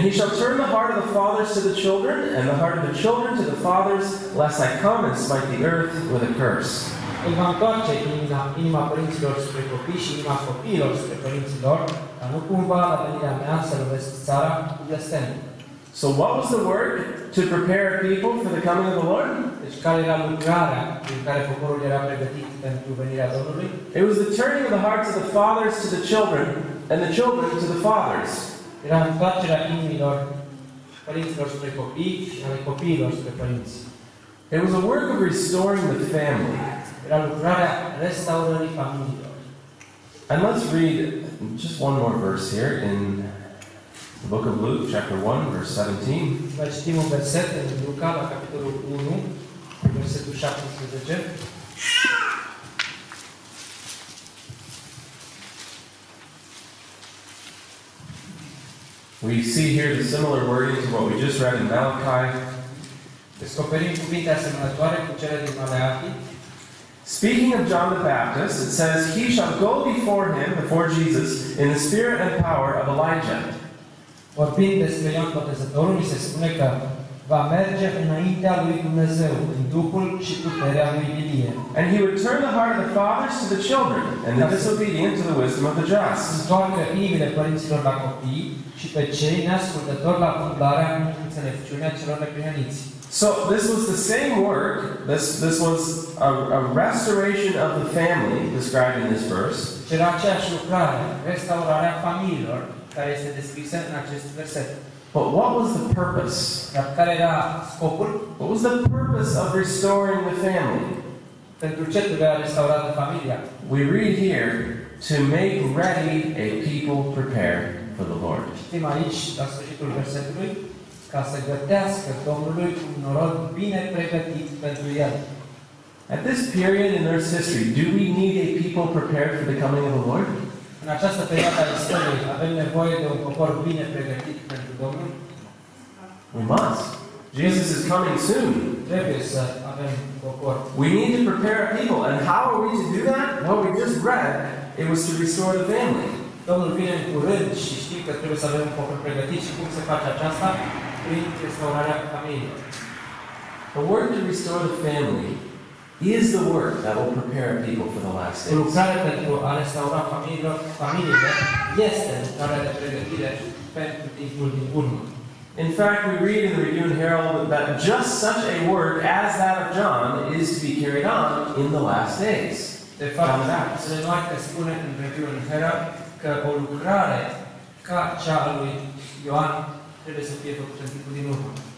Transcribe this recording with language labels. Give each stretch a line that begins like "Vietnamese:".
English: he shall turn the heart of the fathers to the children, and the heart of the children to the fathers, lest I come and smite the earth with a curse.
Romanian: Îl va întoarce inima părinților spre copii și inima copiilor spre părinților, ca nu cumva la venirea mea să lovesc țara cu blestem.
English: So what was the work to prepare people for the coming of the Lord?
Romanian: Deci care era lucrarea prin care poporul era pregătit pentru venirea Domnului?
English: It was the turning of the hearts of the fathers to the children, and the children to the fathers.
Romanian: Era întoarcerea inimilor părinților spre copii și ale copiilor spre părinți.
English: It was a work of restoring the family.
Romanian: Era lucrarea restaurării familiilor.
English: And let's read just one more verse here in the book of Luke, chapter 1, verse 17.
Romanian: Mai citim un verset în Luca, la capitolul 1, versetul 17.
English: We see here the similar wording to what we just read in Malachi.
Romanian: Descoperim cuvinte asemănătoare cu cele din Malachi.
English: Speaking of John the Baptist, it says, he shall go before him, before Jesus, in the spirit and power of Elijah.
Romanian: Vorbind despre Ioan Botezătorul, mi se spune că va merge înaintea lui Dumnezeu, în Duhul și puterea lui Ilie.
English: And he would turn the heart of the fathers to the children, and the disobedient to the wisdom of the just.
Romanian: Întoarcă inimile părinților la copii, și pe cei neascultători la cumplarea înțelepciunea celor neprihăniți.
English: So, this was the same work, this was a restoration of the family, described in this verse.
Romanian: Era aceeași lucrare, restaurarea familiilor, care este descrisă în acest verset.
English: But what was the purpose?
Romanian: Dar care era scopul?
English: What was the purpose of restoring the family?
Romanian: Pentru ce trebuia restaurată familia?
English: We read here, to make ready a people prepared for the Lord.
Romanian: Citim aici, la sfârșitul versetului, ca să gătească Domnului un norod bine pregătit pentru El.
English: At this period in Earth's history, do we need a people prepared for the coming of the Lord?
Romanian: În această perioadă a istoriei, avem nevoie de un popor bine pregătit pentru Domnul?
English: We must. Jesus is coming soon.
Romanian: Trebuie să avem popor.
English: We need to prepare a people. And how are we to do that? Well, we just read. It was to restore the family.
Romanian: Domnul vine în curând și știi că trebuie să avem un popor pregătit și cum se face aceasta? Prin restaurarea familiei.
English: The work to restore the family is the work that will prepare people for the last days.
Romanian: Lucrarea pentru a restaura familiile este lucrarea de pregătire pentru timpul din urmă.
English: In fact, we read in the Review and Herald that just such a work as that of John is to be carried on in the last days.
Romanian: De fapt, se numai că spune în Review and Herald că o lucrare ca cea a lui Ioan trebuie să fie făcută în timpul din urmă.